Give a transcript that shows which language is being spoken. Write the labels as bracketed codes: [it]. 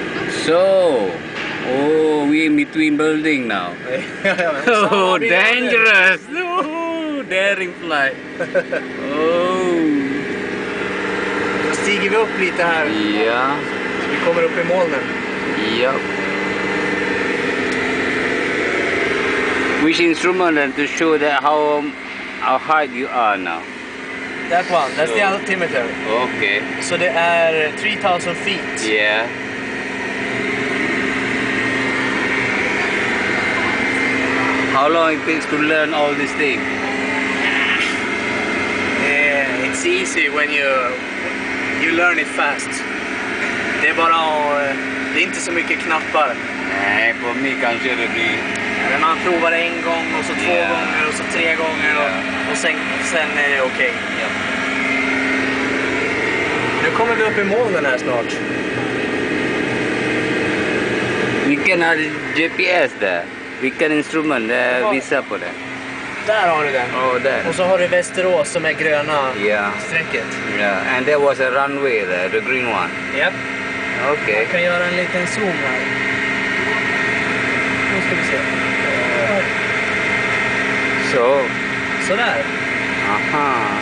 [en] So, we in between building now. Oh, dangerous! Oh, daring flight. Oh. [sv] Då stiger vi upp lite här. Ja. Yeah. Så vi kommer upp i molnen. Ja. Yep. [en] Which instrument to show that how high you are now? That one. That's the altimeter. Okay. So they are 3,000 feet. Yeah. How long it takes to learn all these things? Yeah, it's easy when you learn it fast. [sv] Det är bara det är inte så mycket knappar. Nej, på mig kanske det blir. Ja, man provar en gång och så två gånger och så tre gånger och sen är det okej. Okay. Yeah. Nu kommer vi upp i molnen här snart. Vilken är GPS där? Vilken instrument? Visa på det. Där har du den. Oh, där. Och så har du Västerås som är gröna strecket. Yeah. [en] And there was a runway there, the green one. Yep. Okay. [sv] Jag kan göra en liten zoom här. Nu ska vi se. Så. So. Sådär. Aha.